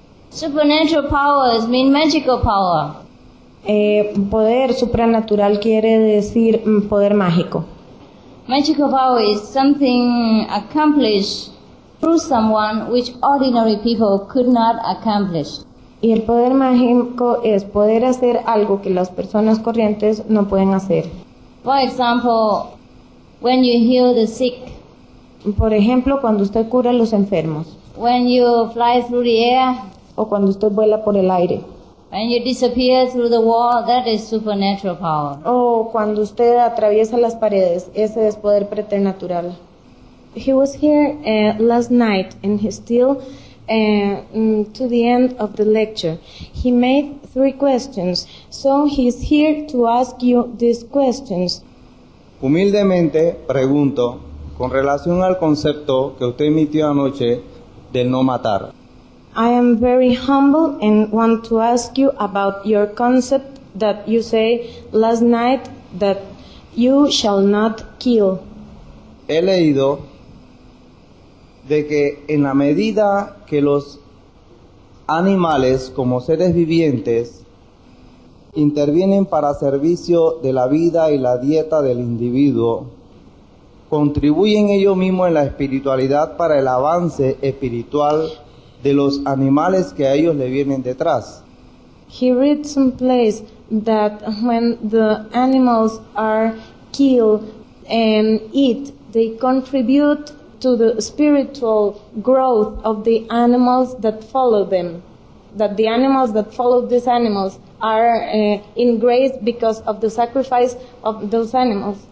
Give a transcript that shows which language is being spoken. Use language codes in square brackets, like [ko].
[en] Supernatural powers mean magical power. [es] Poder supranatural quiere decir poder mágico. [en] Magical power is something accomplished through someone which ordinary people could not accomplish. [es] Y el poder mágico es poder hacer algo que las personas corrientes no pueden hacer. [en] For example, when you heal the sick. [es] Por ejemplo, cuando usted cura a los enfermos. [en] When you fly through the air. [es] O cuando usted vuela por el aire. [en] When you disappear through the wall, that is supernatural power. [es] O cuando usted atraviesa las paredes, ese es poder preternatural. [en] He was here last night, and he still, to the end of the lecture, he made three questions. So he's here to ask you these questions. [es] Humildemente pregunto, con relación al concepto que usted emitió anoche del no matar. [en] I am very humble and want to ask you about your concept that you say last night that you shall not kill. [es] He leído de que en la medida que los animales como seres vivientes intervienen para servicio de la vida y la dieta del individuo, contribuyen ellos mismos en la espiritualidad para el avance espiritual de los animales que a ellos le vienen detrás. [en] He read some place that when the animals are killed, and eat, they contribute to the spiritual growth of the animals that follow them. That the animals that follow these animals are in grace because of the sacrifice of those animals.